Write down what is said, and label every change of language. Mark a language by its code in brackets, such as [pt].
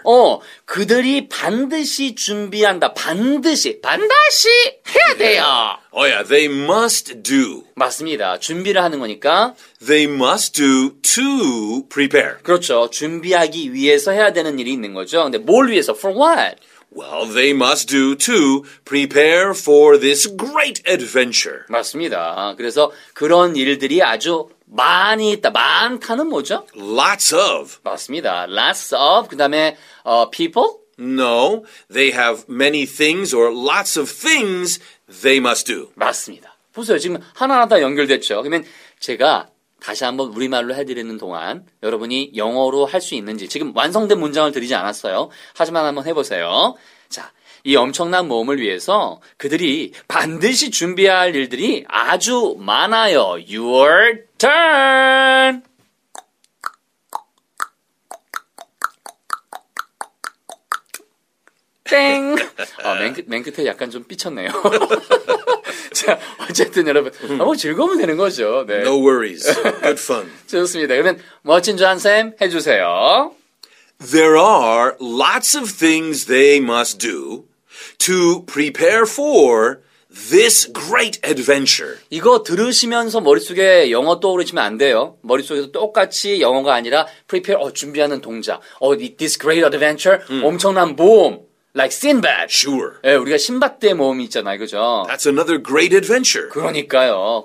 [ko] 어, 그들이 반드시 준비한다. 반드시 해야 돼요. [en] Yeah. Oh yeah, they must do. [ko] 맞습니다. 준비를 하는 거니까 [en] they must do to prepare. [ko] 그렇죠. 준비하기 위해서 해야 되는 일이 있는 거죠. 근데 뭘 위해서? [en] For what? Well, they must do to prepare for this great adventure. [ko] 맞습니다. 그래서 그런 일들이 아주 많이 있다. 많다는 뭐죠? [en] Lots of. [ko] 맞습니다. [en] Lots of. [ko] 그 다음에 people? [en] No. They have many things or lots of things they must do. [ko] 맞습니다. 보세요. 지금 하나하나 다 연결됐죠. 그러면 제가 다시 한번 우리말로 해드리는 동안 여러분이 영어로 할 수 있는지 지금 완성된 문장을 드리지 않았어요. 하지만 한번 해보세요. 자, 이 엄청난 모험을 위해서 그들이 반드시 준비해야 할 일들이 아주 많아요. [en] Your turn! [ko] 땡! 어, 맨 끝에 약간 좀 삐쳤네요. 자, 어쨌든 여러분 너무 즐거우면 되는 거죠. 네. [en] No worries. Good fun. [ko] 좋습니다. 그러면 멋진 존쌤 해주세요. [en] There are lots of things they must do to prepare for this great adventure. [ko] 이거 들으시면서 머릿속에 영어 떠오르시면 안 돼요. 머릿속에서 똑같이 영어가 아니라 prepare, 어, 준비하는 동작. 어, this great adventure, 엄청난 모험. [en] Like Sinbad. Sure. [ko] 예, 우리가 신밧드의 모험이 있잖아요, 그죠? [en] That's another great adventure. [ko] 그러니까요.